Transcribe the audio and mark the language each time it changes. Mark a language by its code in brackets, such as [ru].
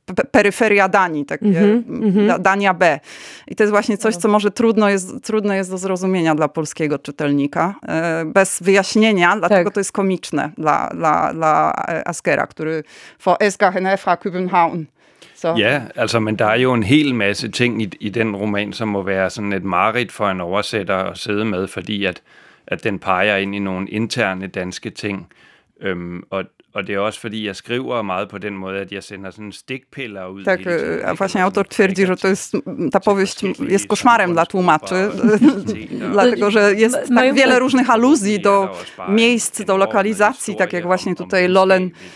[pl] peryferia Danii, takie Dania B. I to jest właśnie coś, co może trudno jest do zrozumienia dla polskiego czytelnika, bez wyjaśnienia, dlatego to jest komiczne dla Askera, który [da] for Esker Henefra København. Ja, altså, men der er jo en hel masse ting i den roman, som må være sådan et mareridt for en oversætter at sidde med, fordi at den peger ind i nogle interne danske ting. Og det er også fordi, jeg skriver meget på den måde, at jeg sender sådan stikpiller ud. [pl] Tak, faktisk autor twierdzi, że to jest, ta powieść jest koszmarem dla tłumaczy, dlatego, że jest tak wiele różnych aluzji do miejsc, do lokalizacji, tak jak właśnie tutaj Lolen.